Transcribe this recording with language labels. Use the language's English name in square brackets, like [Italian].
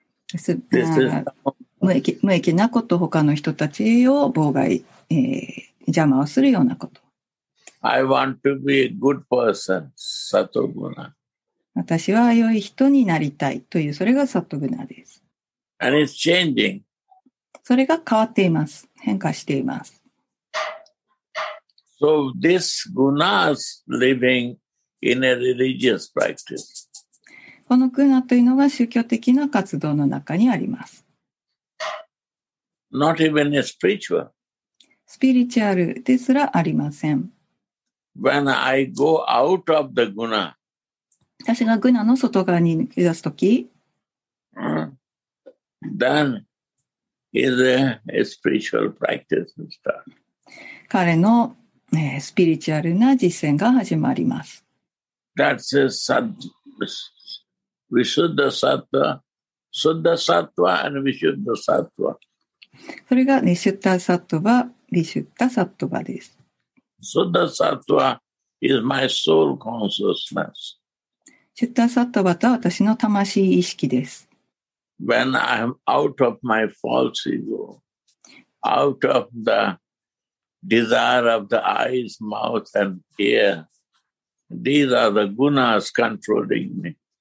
[English] This is [Japanese] 無益なこと、他の人たちを妨害、邪魔をするようなこと。 [English] I want to be a good person, サトグナ。 [Japanese] 私は良い人になりたいという、それがサトグナです。 [English] And it's changing. [Japanese] それが変わっています。変化しています。 [English] So this gunas living in a religious practice. [Japanese] このグナというのが宗教的な活動の中にあります。 [English] Not even a spiritual. [Japanese] スピリチュアルですらありません。 [English] When I go out of the guna, [Japanese] 私がグナの外側に抜け出すとき、 [English] then is a spiritual practice start. [Japanese] 彼の、スピリチュアルな実践が始まります。 [English] That's a sattva. We should the sattva, should the sattva, and we should the sattva. [Japanese] それがね、シュッタサットバ、リシュッタサットバです。 [English] シュッタサットバ is my soul consciousness. [Japanese] シュッタサットバとは私の魂意識です。 [English] When I am out of my false ego, out of the desire of the eyes, mouth and ear, these are the gunas controlling me.